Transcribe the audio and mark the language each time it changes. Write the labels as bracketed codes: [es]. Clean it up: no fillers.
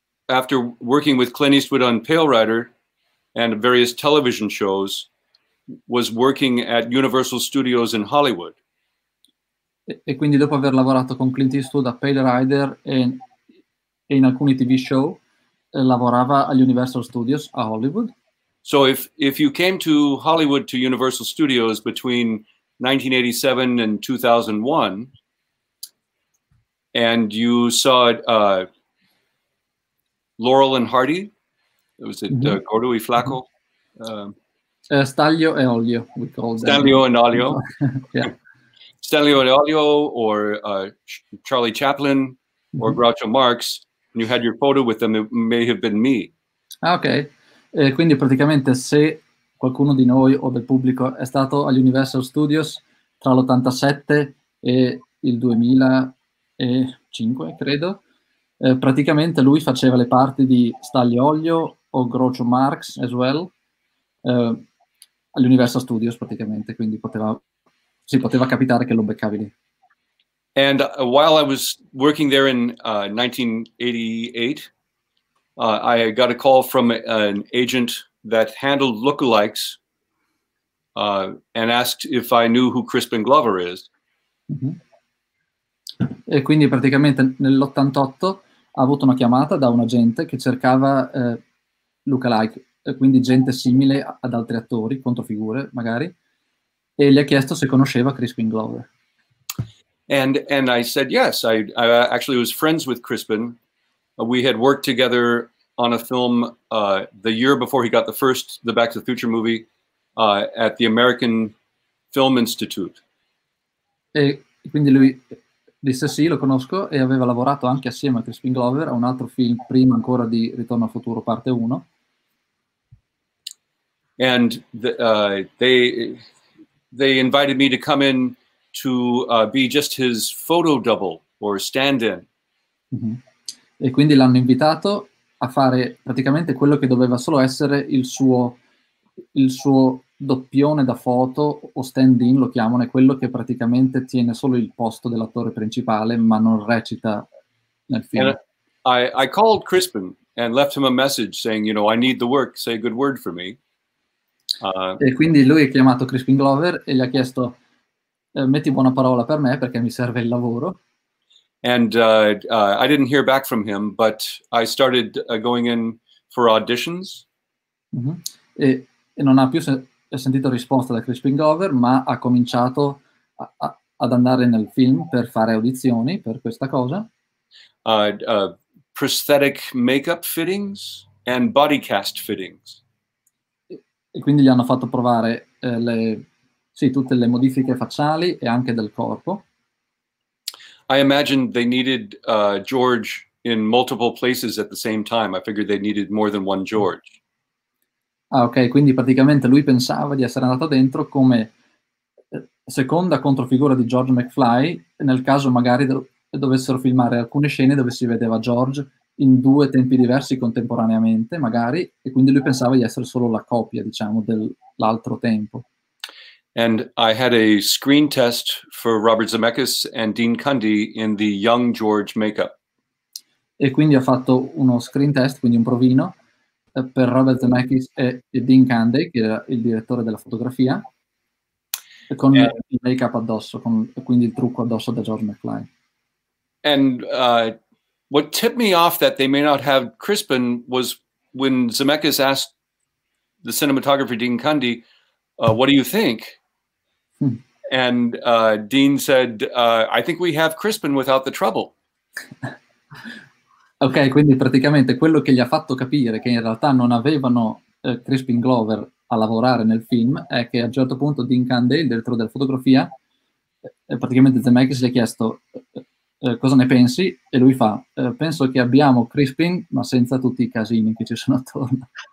[en] After working with Clint Eastwood on Pale Rider and various television shows, was working at Universal Studios in Hollywood. [it] E quindi dopo aver lavorato con Clint Eastwood a Pale Rider e in alcuni TV show, lavorava agli Universal Studios a Hollywood. [en] So if you came to Hollywood to Universal Studios between 1987 and 2001, and you saw Laurel and Hardy, was it [it] Gordo e Flacco? [en] Staglio e olio, we call them. Stanlio and Ollio, Yeah. Stanlio and Ollio, or Charlie Chaplin, or Groucho Marx, and you had your photo with them, it may have been me. [it] Ah, ok, quindi praticamente se qualcuno di noi o del pubblico è stato agli Universal Studios tra l'87 e il 2005, credo, praticamente lui faceva le parti di Staglio Olio o Groucho Marx [en] as well, [it] agli Universal Studios praticamente, quindi poteva capitare che lo beccavi lì. [en] And while I was working there in 1988, I got a call from an agent that handled lookalikes and asked if I knew who Crispin Glover is. [it] Mm-hmm. E quindi praticamente nell'88 ha avuto una chiamata da un agente che cercava lookalike, quindi gente simile ad altri attori, controfigure magari, e gli ha chiesto se conosceva Crispin Glover. [en] And I said yes. I actually was friends with Crispin. We had worked together on a film the year before he got the first The Back to the Future movie at the American Film Institute. [it] E quindi lui disse sì, lo conosco, e aveva lavorato anche assieme a Crispin Glover a un altro film prima ancora di Ritorno al Futuro parte 1. [en] And they invited me to come in to be just his photo double or stand-in. Mm-hmm. [it] E quindi l'hanno invitato a fare praticamente quello che doveva solo essere il suo doppione da foto o stand-in, lo chiamano, è quello che praticamente tiene solo il posto dell'attore principale ma non recita nel film. [en] I called Crispin and left him a message saying, you know, I need the work, say a good word for me. [it] E quindi lui ha chiamato Crispin Glover e gli ha chiesto metti buona parola per me perché mi serve il lavoro. [en] And I didn't hear back from him, but I started going in for auditions. Mm-hmm. [it] E non ha più sentito risposta da Crispin Glover, ma ha cominciato ad andare nel film per fare audizioni per questa cosa. [en] Prosthetic makeup fittings and body cast fittings. [it] E quindi gli hanno fatto provare tutte le modifiche facciali e anche del corpo. [en] I imagined they needed George in multiple places at the same time. I figured they needed more than one George. [it] Ah, ok, quindi praticamente lui pensava di essere andato dentro come seconda controfigura di George McFly, nel caso magari dovessero filmare alcune scene dove si vedeva George in due tempi diversi contemporaneamente, magari, e quindi lui pensava di essere solo la copia, diciamo, dell'altro tempo. [en] And I had a screen test for Robert Zemeckis and Dean Cundey in the Young George makeup. [it] E quindi ho fatto uno screen test, quindi un provino, per Robert Zemeckis e Dean Cundey, che era il direttore della fotografia, con il makeup addosso, quindi il trucco addosso da George McFly. [en] And what tipped me off that they may not have Crispin was when Zemeckis asked the cinematographer Dean Cundey, what do you think? And Dean said, I think we have Crispin without the trouble. [it] Ok, quindi praticamente quello che gli ha fatto capire che in realtà non avevano Crispin Glover a lavorare nel film è che a un certo punto Dean Cundey, il direttore della fotografia, praticamente Zemeckis gli ha chiesto cosa ne pensi e lui fa, penso che abbiamo Crispin ma senza tutti i casini che ci sono attorno.